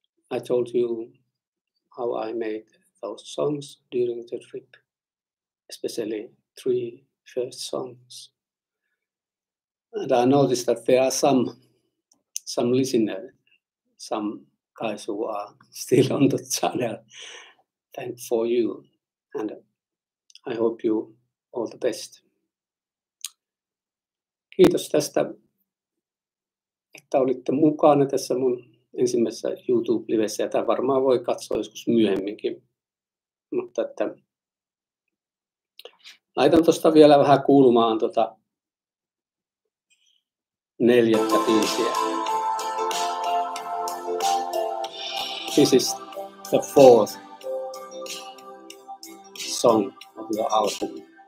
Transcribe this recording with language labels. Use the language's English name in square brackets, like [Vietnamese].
[English] I told you how I made those songs during the trip, especially three first songs. And I noticed that there are some listeners, some guys who are still on the channel. Thanks for you. And I hope you all the best. [Finnish] Kiitos tästä, että olitte mukana tässä mun ensimmäisessä YouTube-livessä, ja tämä varmaan voi katsoa joskus myöhemminkin. Mutta että laitan tuosta vielä vähän kuulumaan tuota neljättä biisiä. [English] This is the fourth song of the album.